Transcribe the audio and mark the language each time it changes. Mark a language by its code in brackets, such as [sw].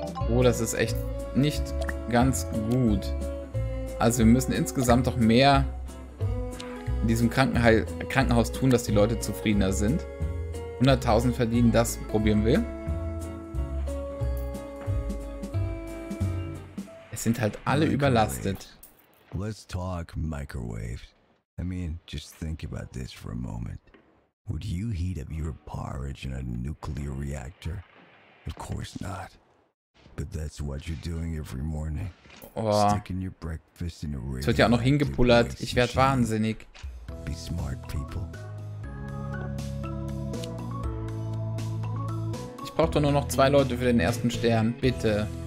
[de] Oh, das ist echt nicht ganz gut. Also wir müssen insgesamt doch mehr in diesem Krankenhaus tun, dass die Leute zufriedener sind. 100.000 verdienen, das probieren wir. Es sind halt alle überlastet. [en] Let's talk microwaves. I mean, just think about this for a moment. Would you heat up your porridge in a nuclear reactor? Of course not. But that's what you're doing every morning. Oh. Sticking your breakfast in a radio. [de] Es wird ja auch noch hingepullert. Ich werde wahnsinnig. [en] Be smart people. [de] Ich brauche doch nur noch 2 Leute für den ersten Stern. Bitte.